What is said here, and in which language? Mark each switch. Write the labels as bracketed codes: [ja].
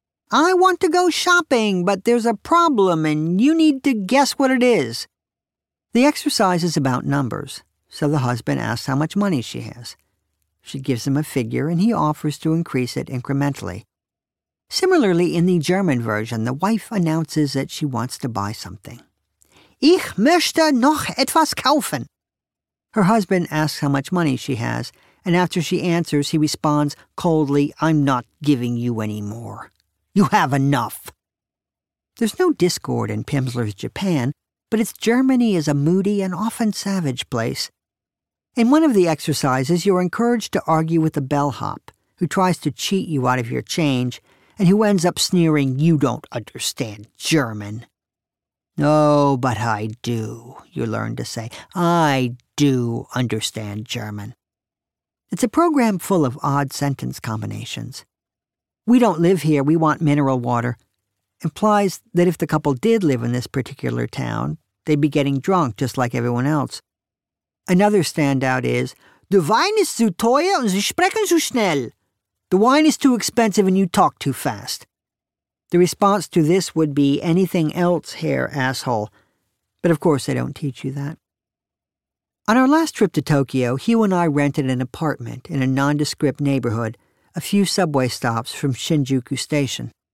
[en] I want to go shopping, but there's a problem and you need to guess what it is." The exercise is about numbers, so the husband asks how much money she has. She gives him a figure and he offers to increase it incrementally. Similarly, in the German version, the wife announces that she wants to buy something. [de] "Ich möchte noch etwas kaufen." [en] Her husband asks how much money she has, and after she answers, he responds coldly, "I'm not giving you any more. You have enough." There's no discord in Pimsleur's Japan, but its Germany is a moody and often savage place. In one of the exercises, you're encouraged to argue with a bellhop who tries to cheat you out of your change and who ends up sneering, "You don't understand German." "Oh, but I do," you learn to say. "I do understand German." It's a program full of odd sentence combinations. "We don't live here, we want mineral water," implies that if the couple did live in this particular town, they'd be getting drunk just like everyone else. Another standout is, [de] "Der Wein ist zu teuer und Sie sprechen zu schnell." [en] The wine is too expensive and you talk too fast. The response to this would be, "Anything else, Herr asshole." But of course, they don't teach you that. On our last trip to Tokyo, Hugh and I rented an apartment in a nondescript neighborhood a few subway stops from Shinjuku Station.